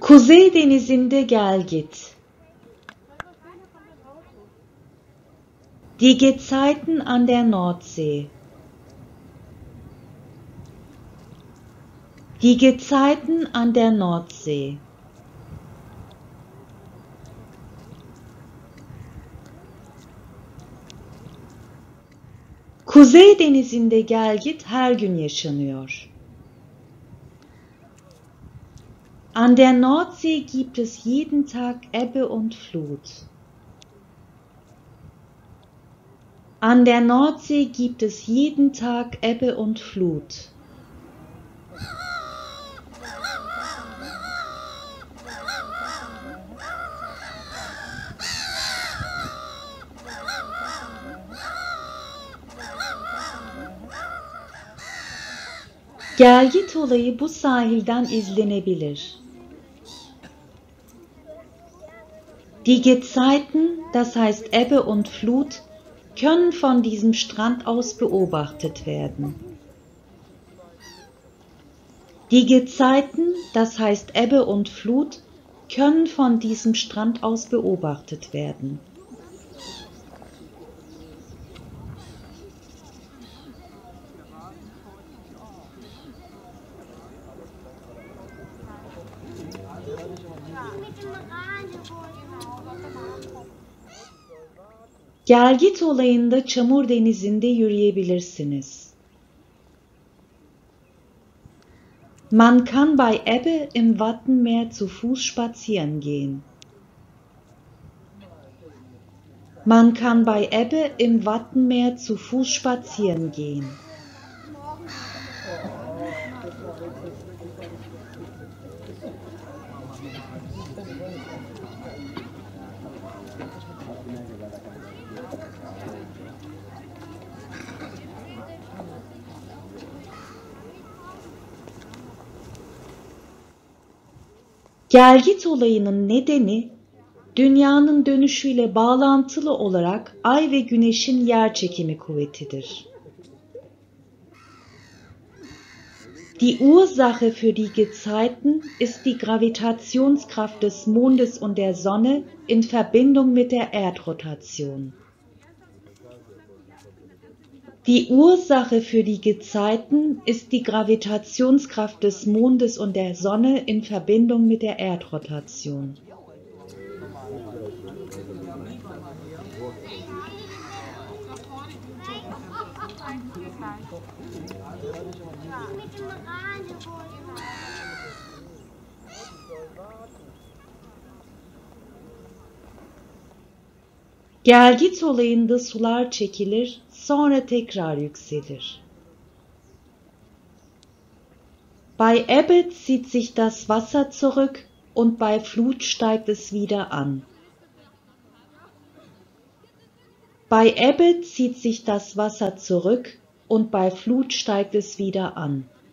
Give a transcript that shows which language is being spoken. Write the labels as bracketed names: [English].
[Turkish] Kuzey Denizi'nde gel git. [German] Die Gezeiten an der Nordsee. Die Gezeiten an der Nordsee. [Turkish] Kuzey Denizi'nde gel git her gün yaşanıyor. [German] An der Nordsee gibt es jeden Tag Ebbe und Flut. An der Nordsee gibt es jeden Tag Ebbe und Flut. [Turkish] Gelgit olayı bu sahilden izlenebilir. [German] Die Gezeiten, das heißt Ebbe und Flut, können von diesem Strand aus beobachtet werden. Die Gezeiten, das heißt Ebbe und Flut, können von diesem Strand aus beobachtet werden. [Turkish] Gelgit olayında çamur denizinde yürüyebilirsiniz. [German] Man kann bei Ebbe im Wattenmeer zu Fuß spazieren gehen. Man kann bei Ebbe im Wattenmeer zu Fuß spazieren gehen. [Turkish] Gelgit olayının nedeni, dünyanın dönüşüyle bağlantılı olarak ay ve güneşin yer çekimi kuvvetidir. [German] Die Ursache für die Gezeiten ist die Gravitationskraft des Mondes und der Sonne in Verbindung mit der Erdrotation. Die Ursache für die Gezeiten ist die Gravitationskraft des Mondes und der Sonne in Verbindung mit der Erdrotation. [Turkish] Gelgit olayında sular çekilir, sonra tekrar yükselir. [German] Bei Ebbe zieht sich das Wasser zurück und bei Flut steigt es wieder an. Bei Ebbe zieht sich das Wasser zurück und bei Flut steigt es wieder an.